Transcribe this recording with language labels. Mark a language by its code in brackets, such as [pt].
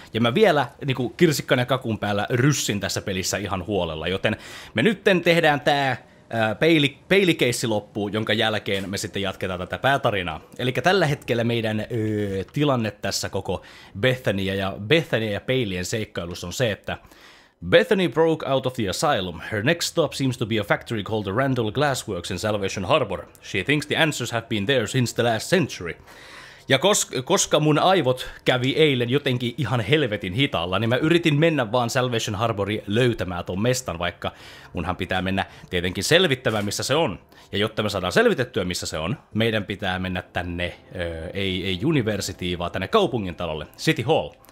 [fi] Ja mä vielä niin kuin kirsikkan ja kakun päällä ryssin tässä pelissä ihan huolella, joten me nytten tehdään tää peilikeissi loppuu, jonka jälkeen me sitten jatketaan tätä päätarinaa. Eli tällä hetkellä meidän tilanne tässä koko Bethany ja peilien seikkailussa on se, että [en] Bethany broke out of the asylum. Her next stop seems to be a factory called the Randall Glassworks in Salvation Harbor. She thinks the answers have been there since the last century. [fi] Ja koska mun aivot kävi eilen jotenkin ihan helvetin hitaalla, niin mä yritin mennä vaan Salvation Harboriin löytämään ton mestan, vaikka munhan pitää mennä tietenkin selvittämään, missä se on. Ja jotta me saadaan selvitettyä, missä se on, meidän pitää mennä tänne, ei universitiin, vaan tänne kaupungintalolle, City Hall.